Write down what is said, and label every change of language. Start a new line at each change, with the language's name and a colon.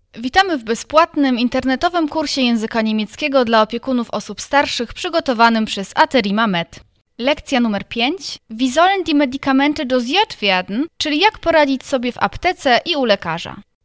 Polish: Witamy w bezpłatnym internetowym kursie języka niemieckiego dla opiekunów osób starszych przygotowanym przez Aterima Med. Lekcja numer 5.
German: Wie sollen die Medikamente dosiert werden?
Polish: Czyli jak poradzić sobie w aptece i u lekarza.